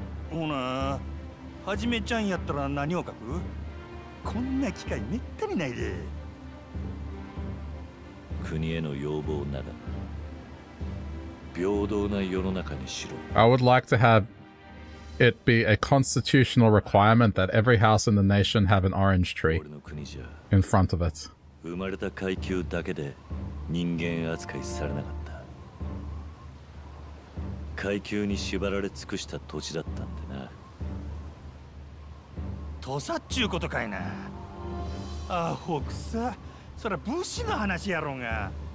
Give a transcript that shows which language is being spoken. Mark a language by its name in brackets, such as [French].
[Japanese] ほな、はじめちゃんやったら何を書く。こんな機会めったにないで。国への要望なら平等な世の中にしろ。 [English] I would like to have it be a constitutional requirement that every house in the nation have an orange tree in front of it. [Japanese] 生まれた階級だけで人間扱いされなかった。階級に縛られ尽くした土地だったんでな。土佐っちゅうことかいな。アホくさ、そら武士の話やろうが。